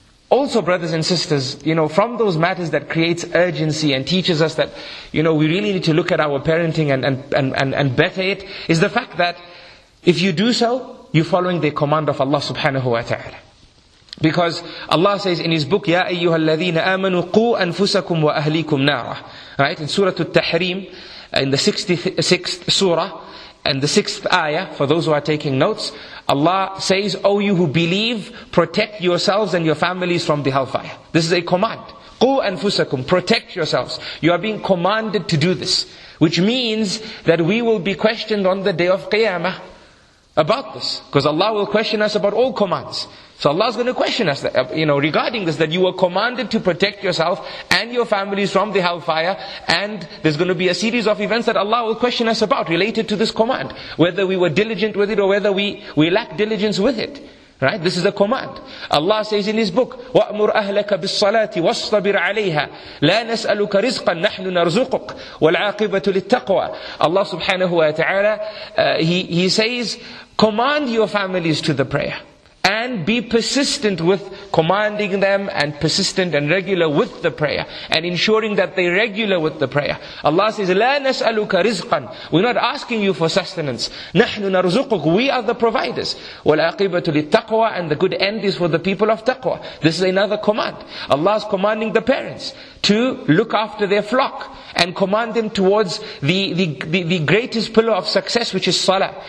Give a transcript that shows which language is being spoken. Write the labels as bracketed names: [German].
[English] Also, brothers and sisters, you know, from those matters that creates urgency and teaches us that, you know, we really need to look at our parenting and better it, is the fact that if you do so, you're following the command of Allah subhanahu wa ta'ala. Because Allah says in His book, [Arabic] يَا أَيُّهَا الَّذِينَ آمَنُوا قُوا أَنفُسَكُمْ وَأَهْلِيكُمْ نَارًا. [English] Right? In Surah Al-Tahrim, in the 66th surah, and the 6th ayah, for those who are taking notes, Allah says, O you who believe, protect yourselves and your families from the hellfire. This is a command. [Arabic] Qu anfusakum, [English] protect yourselves. You are being commanded to do this. Which means that we will be questioned on the day of Qiyamah about this. Because Allah will question us about all commands. So Allah is going to question us, you know, regarding this, that you were commanded to protect yourself and your families from the hellfire, and there's going to be a series of events that Allah will question us about related to this command, whether we were diligent with it or whether we lack diligence with it. Right? This is a command. Allah says in His book, [Arabic] وَأْمُرْ أَهْلَكَ بِالصَّلَاةِ وَاصْطَبِرْ عَلَيْهَا لَا نَسْأَلُكَ رِزْقًا نَحْنُ نَرْزُقُكَ وَالْعَاقِبَةُ لِلتَّقْوَى. [English] Allah subhanahu wa ta'ala, He says, command your families to the prayer. And be persistent with commanding them and persistent and regular with the prayer. And ensuring that they're regular with the prayer. Allah says, [Arabic] لَا نَسْأَلُكَ رِزْقًا. [English] We're not asking you for sustenance. [Arabic] نَحْنُ نَرْزُقُكُ. [English] We are the providers. [Arabic] وَالْعَقِبَةُ لِلتَّقْوَى. [English] And the good end is for the people of taqwa. This is another command. Allah is commanding the parents to look after their flock and command them towards the greatest pillar of success, which is salah.